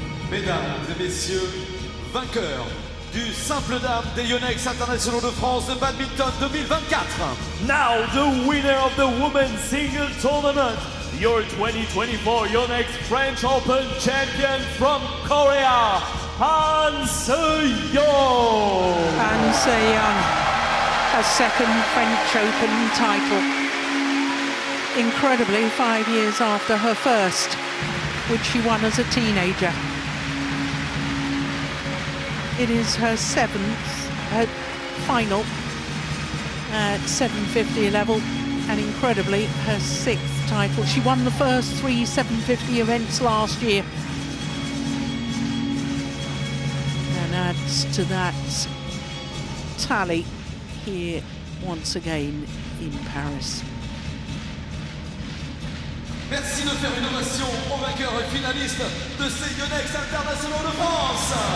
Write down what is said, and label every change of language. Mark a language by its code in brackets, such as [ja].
[fr] Mesdames et messieurs, vainqueurs du simple dame des YONEX Internationaux de France de badminton 2024. [en] Now the winner of the women's single tournament. Your 2024 YONEX French Open champion from Korea, Han Se-young. Han Se-young, a second French Open title. Incredibly, 5 years after her first, which she won as a teenager. It is her seventh final at 750 level, and incredibly, her sixth title. She won the first three 750 events last year. And adds to that tally here once again in Paris. [fr] Merci de faire une ovation au vainqueur et finaliste de ces YONEX Internationaux de France.